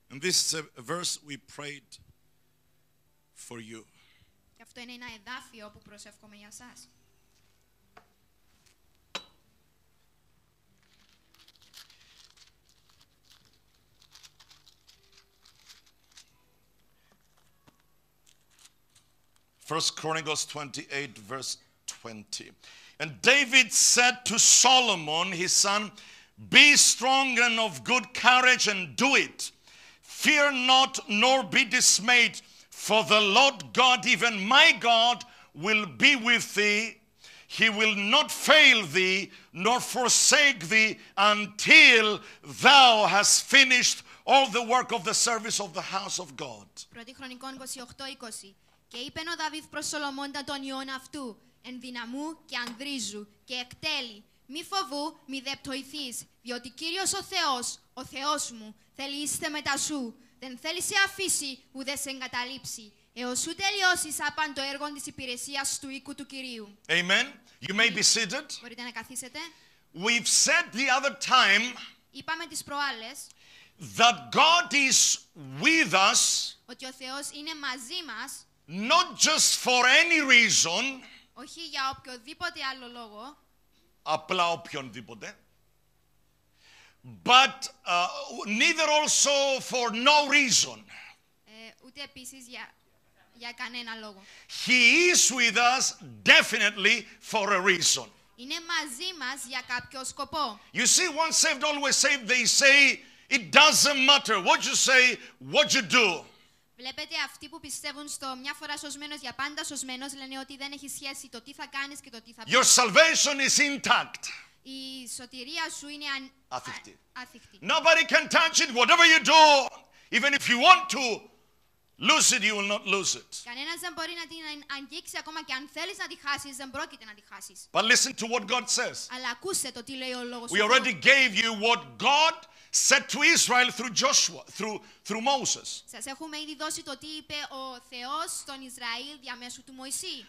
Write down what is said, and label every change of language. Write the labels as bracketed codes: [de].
[en] And this is a verse we prayed for you. [el] Και αυτό είναι ένα εδάφιο που προσεύχομαι για σας. [en] First Chronicles 28, verse 20. And David said to Solomon, his son, be strong and of good courage and do it. Fear not, nor be dismayed, for the Lord God, even my God, will be with thee. He will not fail thee, nor forsake thee, until thou hast finished all the work of the service of the house of God. 1 Chronicles 28:20. [el] Και είπε ο Δαβίδ προς Σολομώντα τον ιόν αυτού, ενδυναμού και ανδρίζου και εκτέλει. Μη φοβού, μη δε πτωηθείς, διότι Κύριος ο Θεός μου, θέλει είστε μετά σου. Δεν θέλει σε αφήσει, ουδέ σε εγκαταλείψει. Έως ού τελειώσεις απάν το έργο της υπηρεσίας του οίκου του Κυρίου. [en] Amen. You may be seated. [el] Μπορείτε να καθίσετε. [en] We've said the other time. [el] Είπαμε τις προάλλες. [en] That God is with us. [el] Ότι ο Θεός είναι μαζί μας. [en] Not just for any reason. [el] Όχι για οποιοδήποτε άλλο λόγο. Απλά οποιονδήποτε. [en] But neither also for no reason. [el] Ούτε επίσης για κανένα λόγο. [en] He is with us definitely for a reason. [el] Είναι μαζί μας για κάποιο σκοπό. [en] You see, once saved, always saved. They say it doesn't matter what you say, what you do. [el] Βλέπετε, αυτοί που πιστεύουν στο μια φορά σωσμένος για πάντα σωσμένος λένε ότι δεν έχει σχέση το τι θα κάνεις και το τι θα πεις. [en] Your salvation is intact. [el] Η σωτηρία σου είναι αθικτή. Αθικτή. [en] Nobody can touch it, whatever you do, even if you want to lose it, you will not lose it. [el] Κανένας δεν μπορεί να την αγγίξει, ακόμα και αν θέλεις να τη χάσεις, δεν πρόκειται να τη χάσεις. [en] But listen to what God says. [el] Αλλά ακούστε το τι λέει ο λόγος. [en] We already gave you what God said to Israel through Joshua, through Moses. [el] Σας έχουμε ήδη δώσει το τι είπε ο Θεός στον Ισραήλ διαμέσου του Μωυσή.